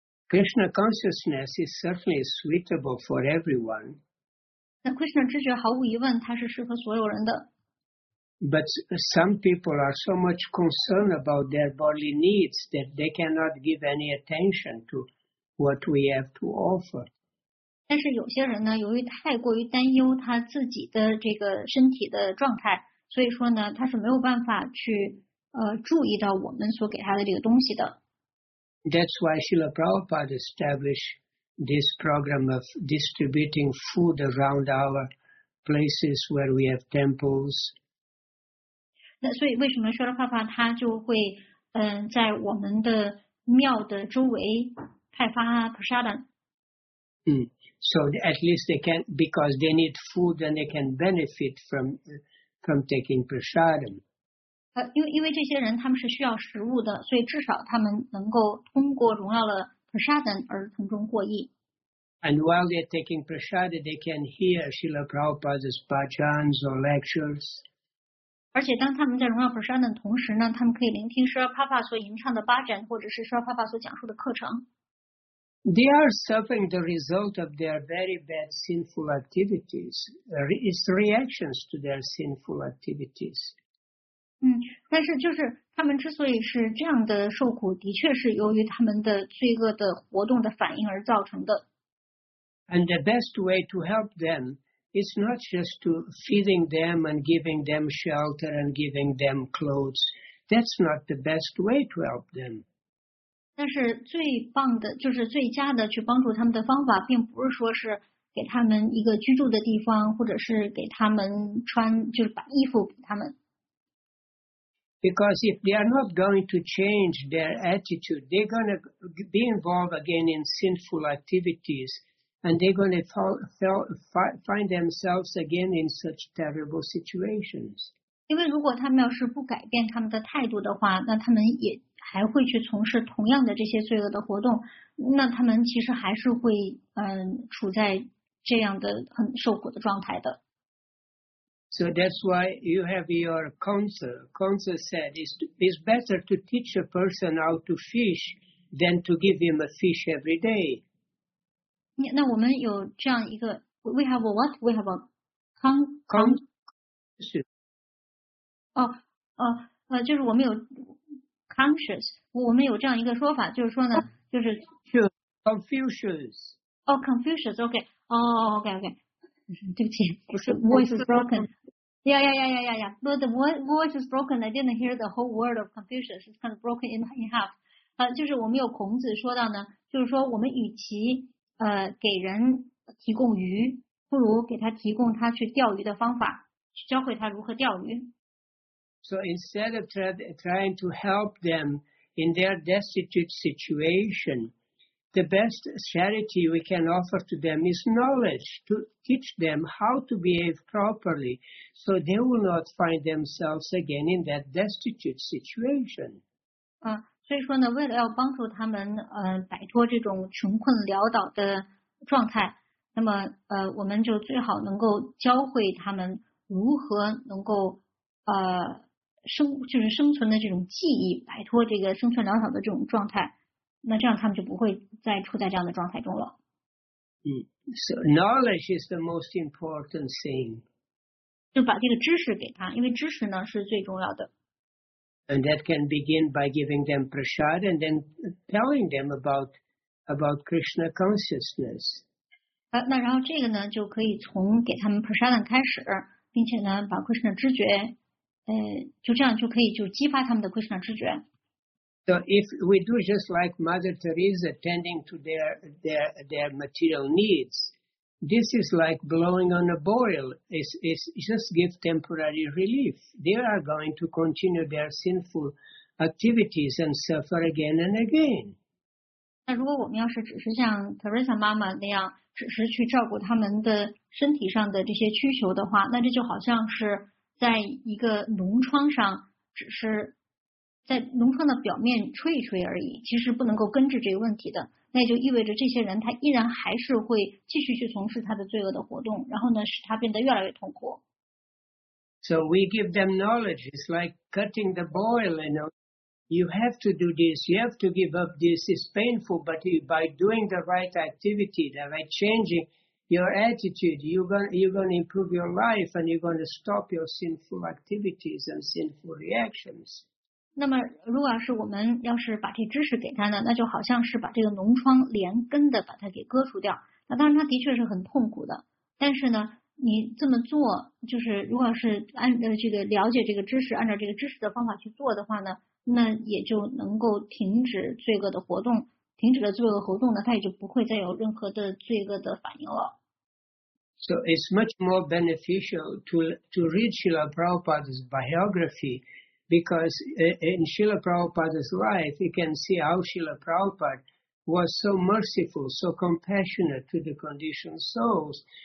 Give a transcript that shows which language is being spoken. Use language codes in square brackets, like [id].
[en] Krishna consciousness is certainly suitable for everyone. [zh] 那 Krishna 知觉毫无疑问它是适合所有人的。 [en] But some people are so much concerned about their bodily needs that they cannot give any attention to what we have to offer. [zh] 但是有些人呢，由于太过于担忧他自己的这个身体的状态，所以说呢，他是没有办法去注意到我们所给他的这个东西的。 [en] That's why Srila Prabhupada established this program of distributing food around our places where we have temples. [zh] 那所以为什么舍勒帕帕他就会在我们的庙的周围派发普沙丹、 [en] So at least they can, because they need food and they can benefit from taking prasadam. [zh] 因为这些人他们是需要食物的，所以至少他们能够通过荣耀了普沙丹而从中获益。 [en] And while they're taking prasadam, they can hear Srila Prabhupada's bhajans or lectures. [zh] 而且当他们在荣耀普沙的同时呢，他们可以聆听舍尔帕帕所吟唱的巴展，或者是舍尔帕帕所讲述的课程。 [en] They are suffering the result of their very bad sinful activities. It's reactions to their sinful activities. [zh] 但是就是他们之所以是这样的受苦，的确是由于他们的罪恶的活动的反应而造成的。 [en] And the best way to help them. It's not just to feeding them and giving them shelter and giving them clothes. That's not the best way to help them. [zh] 但是最棒的，就是最佳的去帮助他们的方法，并不是说是给他们一个居住的地方，或者是给他们穿，就是把衣服给他们。 [en] Because if they are not going to change their attitude, they're going to be involved again in sinful activities. And they're going to find themselves again in such terrible situations. [zh] 因为如果他们要是不改变他们的态度的话，那他们也还会去从事同样的这些罪恶的活动，那他们其实还是会处在这样的很受苦的状态的。 [en] So that's why you have your counselor. Counselor said it's better to teach a person how to fish than to give him a fish every day. [zh] 那我们有这样一个 [en] ，we have a what? We have a conscious. [zh] 就是我们有 conscious. 我们有这样一个说法，就是说呢，就是 [en] Confucius. Oh, Confucius. Okay. Oh, okay, okay. [zh] 对不起，不是 [en] voice is broken. Yeah. But the voice is broken. I didn't hear the whole word of Confucius. It's kind of broken in half. [zh] 就是我们有孔子说到呢，就是说我们与其给人提供鱼，不如给他提供他去钓鱼的方法，去教会他如何钓鱼。 [en] So instead of trying to help them in their destitute situation, the best charity we can offer to them is knowledge to teach them how to behave properly, so they will not find themselves again in that destitute situation. [zh] 所以说呢，为了要帮助他们摆脱这种穷困潦倒的状态，那么我们就最好能够教会他们如何能够就是生存的这种技艺，摆脱这个生存潦倒的这种状态，那这样他们就不会再处在这样的状态中了。 [en] So knowledge is the most important thing. [zh] 就把这个知识给他，因为知识呢是最重要的。 [en] And that can begin by giving them prasad and then telling them about Krishna consciousness. [zh] 那然后这个呢就可以从给他们 prasad 开始，并且呢把 Krishna 知觉，就这样就可以就激发他们的 Krishna 知觉。 [en] So if we do just like Mother Teresa tending to their material needs, this is like blowing on a boil. It's just give temporary relief. They are going to continue their sinful activities and suffer again and again. [zh] 那如果我们要是只是像 Teresa 妈妈那样，只是去照顾他们的身体上的这些需求的话，那这就好像是在一个脓疮上，只是在脓疮的表面吹一吹而已，其实不能够根治这个问题的。那就意味着这些人他依然还是会继续去从事他的罪恶的活动，然后呢使他变得越来越痛苦。 [en] So we give them knowledge. It's like cutting the boil, you know. You have to do this. You have to give up this. It's painful, but by doing the right activity, by changing your attitude, you're going to improve your life and you're going to stop your sinful activities and sinful reactions. [zh] 那么如果是我们要是把这知识给他呢，那就好像是把这个脓疮连根的把它给割除掉。那当然他的确是很痛苦的，但是呢你这么做，就是如果是按这个了解这个知识，按照这个知识的方法去做的话呢，那也就能够停止罪恶的活动，停止了罪恶的活动呢，他也就不会再有任何的罪恶的反应了。 [en] So it's much more beneficial to read Srila Prabhupada's biography, because in Srila Prabhupada's life, you can see how Srila Prabhupada was so merciful, so compassionate to the conditioned souls.